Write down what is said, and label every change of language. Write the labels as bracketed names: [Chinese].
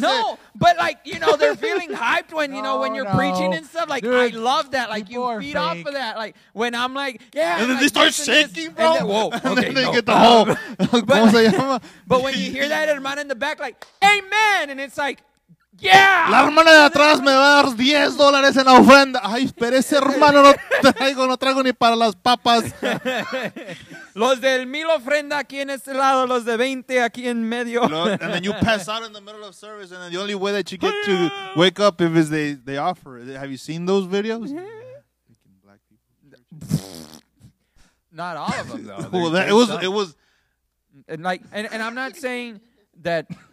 [English] No, but like, you know, they're feeling hyped when, you're preaching and stuff. Like, dude, I love that. Like, you feed off of that. Like, when I'm like, yeah. And then like, they start shaking, bro. And then, whoa. Okay, and then no. They get the whole. But when you hear that hermana in the back, like, amen. And it's like. Yeah. [Spanish] La hermana de atrás me va a dar $10 en la ofrenda. Ay, pero ese hermano no traigo ni para las papas. Los del mil ofrenda aquí en este lado, los de 20 aquí en medio. [English] And then you pass out in the middle of service, and then the only way that you get to wake up if is they offer. Have you seen those videos? Not all of them, though. Well, it was. And like, and I'm not saying that.